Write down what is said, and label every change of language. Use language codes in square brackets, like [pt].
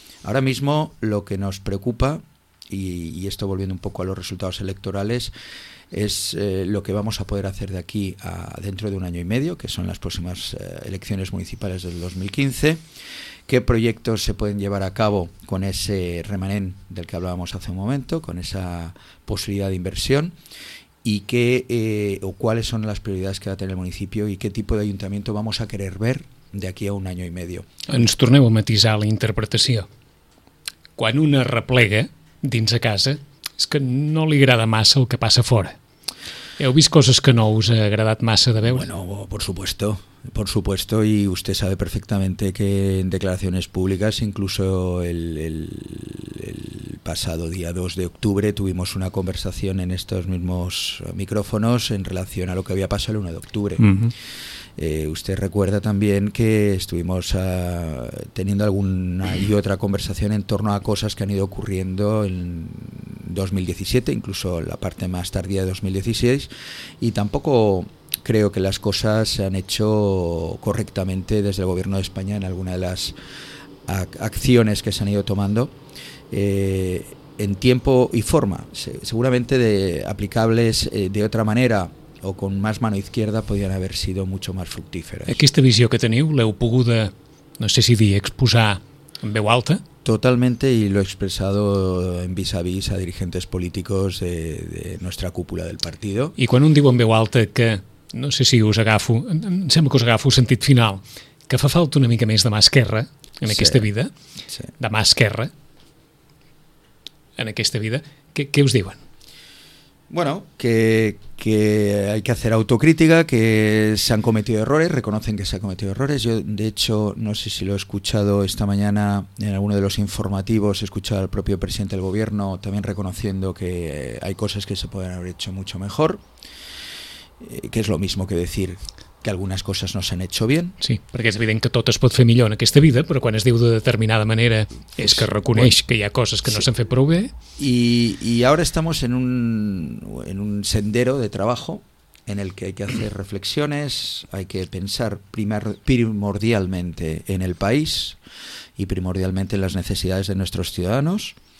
[es] Ahora mismo lo que nos preocupa, y esto volviendo un poco a los resultados electorales, es lo que vamos a poder hacer de aquí a dentro de un año y medio, que son las próximas elecciones municipales del 2015, qué proyectos se pueden llevar a cabo con ese remanente del que hablábamos hace un momento, con esa posibilidad de inversión, y qué o cuáles son las prioridades que va a tener el municipio y qué tipo de ayuntamiento vamos a querer ver de aquí a un año y medio. [ca] Ens torneu a matisar la interpretació. Quan una replega dins de casa, és que no li agrada massa el que passa fora. Heu vist coses que no us ha agradat massa de veure? [es] Bueno, por supuesto, y usted sabe perfectamente que en declaraciones públicas, incluso el pasado día 2 de octubre, tuvimos una conversación en estos mismos micrófonos en relación a lo que había pasado el 1 de octubre. Uh-huh. Usted recuerda también que estuvimos teniendo alguna y otra conversación en torno a cosas que han ido ocurriendo en 2017, incluso la parte más tardía de 2016, y tampoco creo que las cosas se han hecho correctamente desde el gobierno de España en alguna de las acciones que se han ido tomando en tiempo y forma. Seguramente de aplicables de otra manera o con más mano izquierda podrían haber sido mucho más fructíferas. [ca] Aquesta visió que teniu l'heu poguda, no sé si dir, exposar en veu alta? [es] Totalmente, y lo he expresado en vis-a-vis a dirigentes políticos de nuestra cúpula del partido. [ca] I quan un diu en veu alta que, no sé si us agafo, em sembla que us agafo sentit final, que fa falta una mica més de mà esquerra en aquesta vida, de mà esquerra en aquesta vida, què us diuen? [es] Bueno, que hay que hacer autocrítica, que se han cometido errores, reconocen que se han cometido errores. Yo, de hecho, no sé si lo he escuchado esta mañana en alguno de los informativos, he escuchado al propio presidente del gobierno también reconociendo que hay cosas que se pueden haber hecho mucho mejor, que es lo mismo que decir que algunas cosas no se han hecho bien. [ca] Sí, perquè és evident que tot es pot fer millor en aquesta vida, però quan es diu de determinada manera és que reconeix que hi ha coses que no s'han fet prou bé. [es] Y ahora estamos en un sendero de trabajo en el que hay que hacer reflexiones, hay que pensar primordialmente en el país y primordialmente en las necesidades de nuestros ciudadanos.